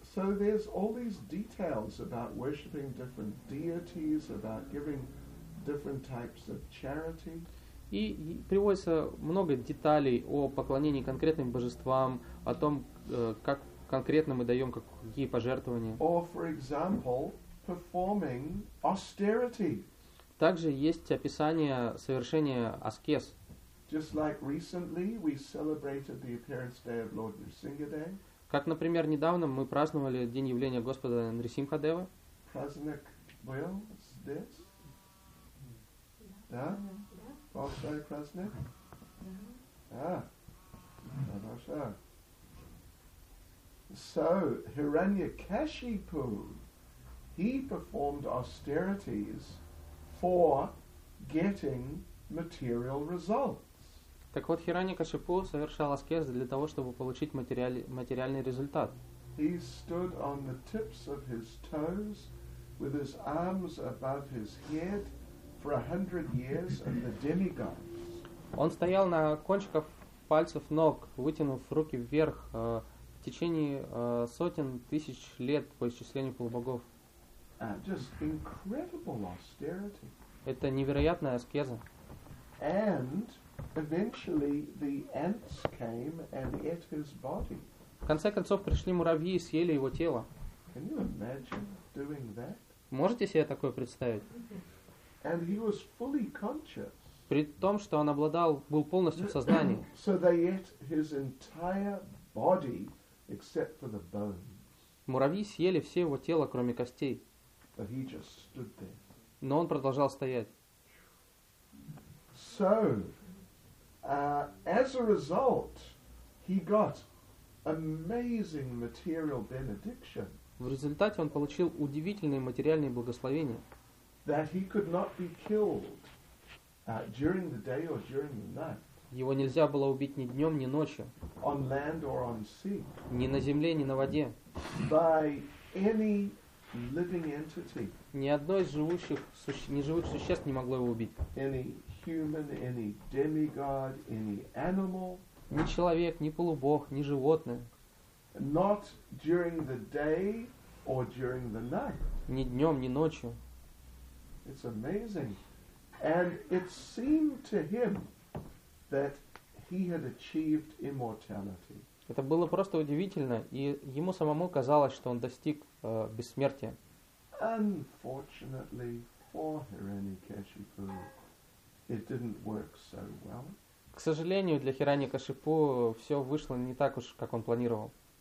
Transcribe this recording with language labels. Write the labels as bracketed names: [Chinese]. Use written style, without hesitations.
[English] So there's all these details about worshiping different deities, about giving different types of charity. [Russian] И приводится много деталей о поклонении конкретным божествам, о том, как конкретно мы даем какие пожертвования. [English] Or, for example, performing austerity. [Russian] Также есть описание совершения аскез. [English] Just like recently we celebrated the appearance day of Lord Nrisimhadev. [Russian] Как, например, недавно мы праздновали день явления Господа Нрисимхадева. Праздник был здесь. Да? Большой праздник? Да. Хорошо. [English] So, Hiranyakashipu, he performed austerities for getting material results. [Russian] Так вот, Хираньякашипу совершал аскез для того, чтобы получить материальный результат. [English] He stood on the tips of his toes with his arms above his head for 100 years of the demigods. [Russian] Он стоял на кончиках пальцев ног, вытянув руки вверх в течение сотен тысяч лет по исчислению полубогов. [English] Just incredible austerity. [Russian] Это невероятная аскеза. [English] And eventually the ants came and ate his body. [Russian] В конце концов пришли муравьи и съели его тело. [English] Can you imagine doing that? [Russian] Можете себе такое представить? [English] And he was fully conscious. [Russian] При том, что он обладал, был полностью в сознании. [English] So they ate his entire body except for the bones. [Russian] Муравьи съели все его тело, кроме костей. [English] But he just stood there. [Russian] Но он продолжал стоять. [English] So as a result, he got amazing material benediction. [Russian] В результате он получил удивительные материальные благословения. [English] That he could not be killed during the day or during the night. [Russian] Его нельзя было убить ни днем, ни ночью. [English] On land or on sea. [Russian] Ни на земле, ни на воде. [English] By any living entity. [Russian] Ни одно из живущих неживых существ не могло его убить. [English] Any human, any demigod, any animal. [Russian] Ни человек, ни полубог, ни животное. [English] Not during the day or during the night. [Russian] Ни днем, ни ночью. [English] It's amazing. And it seemed to him that he had achieved immortality. [Russian] Это было просто удивительно, и ему самому казалось, что он достиг бессмертия. [English] Unfortunately for Hiranyakashipu, it didn't work so well. [Russian] К сожалению, для Хираньякашипу все вышло не так уж, как он планировал.